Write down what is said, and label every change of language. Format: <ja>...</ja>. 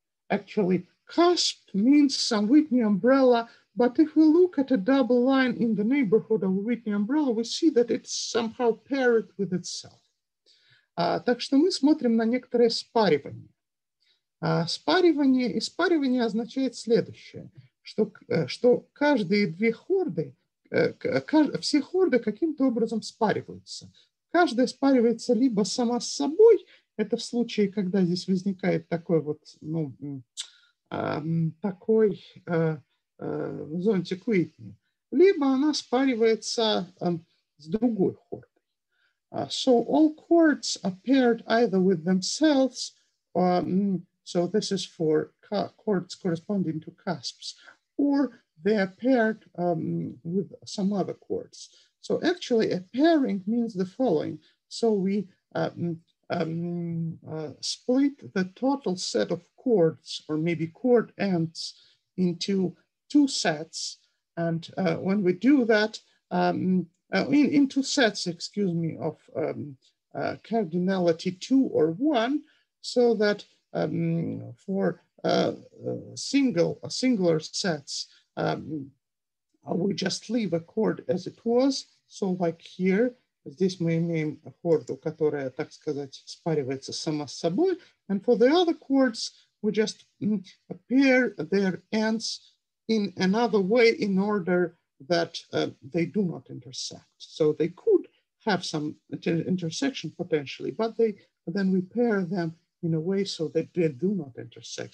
<en>Actually, cusp means some Whitney umbrella, but if we look at a double line in the neighborhood of a Whitney umbrella, we see that it's somehow paired with itself.</en> <ru>Так что мы смотрим на некоторое спаривание. Спаривание, и спаривание означает следующее, что, что каждые две хорды, все хорды каким-то образом спариваются. Каждая спаривается либо сама с собой, это в случае, когда здесь возникает такой вот, ну, такой зонтик Уитни, либо она спаривается с другой хордой.</ru> <en>So all chords are paired either with themselves, so this is for chords corresponding to cusps, or they are paired with some other chords. So actually a pairing means the following. So we split the total set of chords or maybe chord ends into two sets. And when we do that, in two sets, excuse me, of cardinality two or one, so that for singular sets, we just leave a chord as it was. So like here,</en> <ru>здесь мы имеем хорду, которая, так сказать, спаривается сама с собой.</ru> <en>And for the other chords, we just pair their ends in another way in order that they do not intersect. So they could have some intersection potentially, but they then we pair them in a way so that they do not intersect.</en>